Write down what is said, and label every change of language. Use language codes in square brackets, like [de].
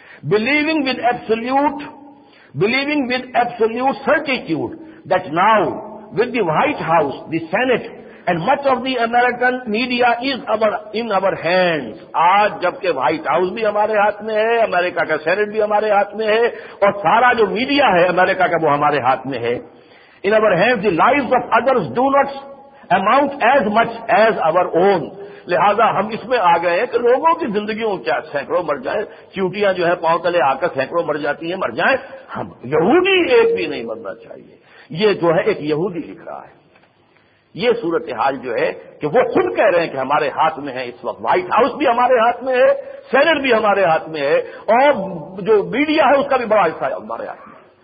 [en] Believing with absolute certitude that now with the White House the Senate and much of the American media is in our hands. [ur] آج جبکہ white house بھی ہمارے ہاتھ میں ہے، امریکہ کا سینٹ بھی ہمارے ہاتھ میں ہے، اور سارا جو میڈیا ہے امریکہ کا وہ ہمارے ہاتھ میں ہے، [en] In our hands, the lives of others do not amount as much as our own. [ur] لہذا ہم اس میں آ گئے کہ لوگوں کی زندگیوں کیا سینکڑوں مر جائے, چیوٹیاں جو ہے پاؤں تلے آ کر سینکڑوں مر جاتی ہیں, مر جائیں. ہم یہودی ایک بھی نہیں مرنا چاہیے. یہ جو ہے ایک یہودی لکھ رہا ہے یہ صورتحال جو ہے کہ وہ خود کہہ رہے ہیں کہ ہمارے ہاتھ میں ہے اس وقت, وائٹ ہاؤس بھی ہمارے ہاتھ میں ہے, سینٹ بھی ہمارے ہاتھ میں ہے, اور جو میڈیا ہے اس کا بھی بڑا حصہ ہے ہمارے ہاتھ میں.